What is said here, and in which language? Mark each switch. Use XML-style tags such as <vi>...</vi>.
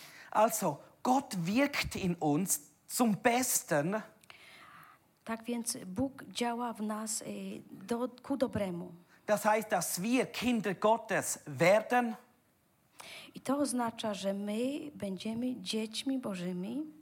<de>Also, Gott wirkt in uns zum Besten.</de> <pl>Tak więc Bóg działa w nas ku dobremu.</pl> <de>Das heißt, dass wir Kinder Gottes werden.</de> <pl>I to oznacza, że my będziemy dziećmi Bożymi.</pl>